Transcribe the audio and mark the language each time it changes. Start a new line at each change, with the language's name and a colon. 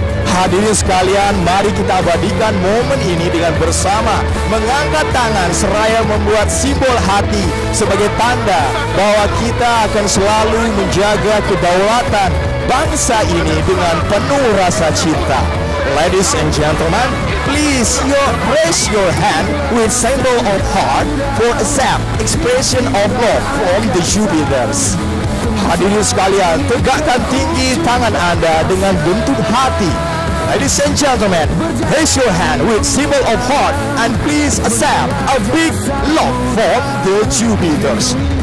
Indonesian: Hadirin sekalian, mari kita abadikan momen ini dengan bersama mengangkat tangan seraya membuat simbol hati sebagai tanda bahwa kita akan selalu menjaga kedaulatan bangsa ini dengan penuh rasa cinta.
English: Ladies and gentlemen, please raise your hand with symbol of heart for a sad expression of love from the Jupiters.
Indonesian: Hadirin sekalian, tegakkan tinggi tangan Anda dengan bentuk hati.
English: Ladies and gentlemen, raise your hand with symbol of heart and please accept a big love from the Jupiters.